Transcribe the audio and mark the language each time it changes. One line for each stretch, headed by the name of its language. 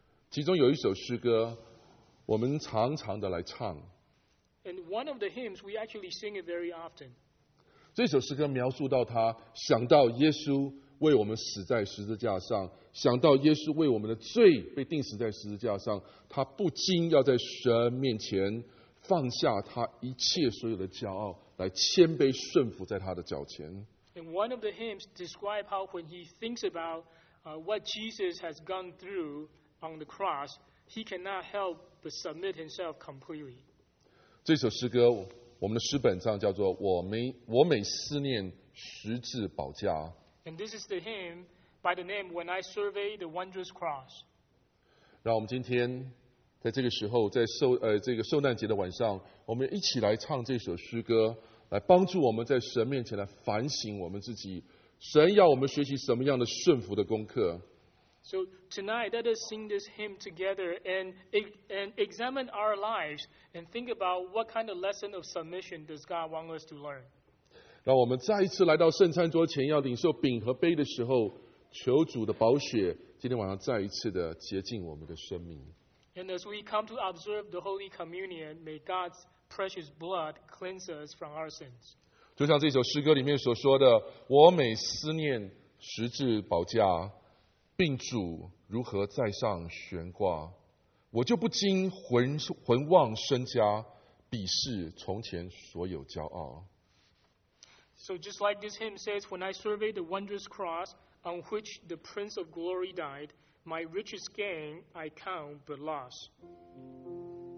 Chinese: 其中有一首诗歌，我们常常的来唱。
English: And one of the hymns we actually sing it very often.
Chinese: 这首诗歌描述到他想到耶稣。为我们死在十字架上，想到耶稣为我们的罪被钉死在十字架上，他不禁要在神面前放下他一切所有的骄傲，来谦卑顺服在他的脚前。
English: And one of the hymns describe how when he thinks about what Jesus has gone through on the cross, he cannot help but submit himself completely.
Chinese: 这首诗歌，我们的诗本上叫做我每思念十字宝架。
English: And this is the hymn by the name When I Survey the Wondrous Cross.
Chinese: 让我们今天在这个时候，在受难节的晚上，我们一起来唱这首诗歌，来帮助我们在神面前来反省我们自己。神要我们学习什么样的顺服的功课？
English: So tonight, let us sing this hymn together and examine our lives and think about what kind of lesson of submission does God want us to learn.
Chinese: 让我们再一次来到圣餐桌前，要领受饼和杯的时候，求主的宝血今天晚上再一次的洁净我们的生命。
English: And as we come to observe the Holy Communion, may God's precious blood cleanse us from our sins.
Chinese: 就像这首诗歌里面所说的，我每思念十字宝架，并主如何在上悬挂，我就不禁魂忘身家，鄙视从前所有骄傲。
English: So just like this hymn says, when I survey the wondrous cross on which the Prince of Glory died,My richest gain I count but loss.